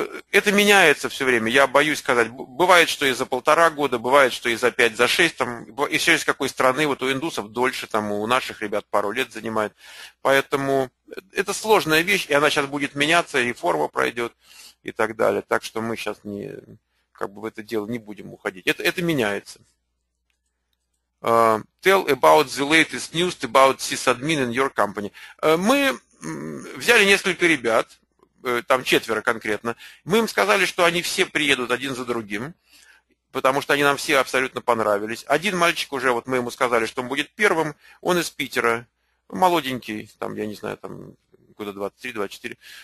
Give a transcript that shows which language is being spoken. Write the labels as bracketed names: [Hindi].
[Russian] Это меняется все время, я боюсь сказать. Бывает, что и за полтора года, бывает, что и за пять, за шесть. Там, еще из какой страны, вот у индусов дольше, там, у наших ребят пару лет занимает. Поэтому это сложная вещь, и она сейчас будет меняться, реформа пройдет и так далее. Так что мы сейчас не, как бы в это дело не будем уходить. Это меняется. [English] Tell about the latest news about sysadmin in your company. [Russian] Мы взяли несколько ребят, там четверо конкретно. Мы им сказали, что они все приедут один за другим, потому что они нам все абсолютно понравились. Один мальчик уже, вот мы ему сказали, что он будет первым, он из Питера, молоденький, там, я не знаю, там, года 23-24.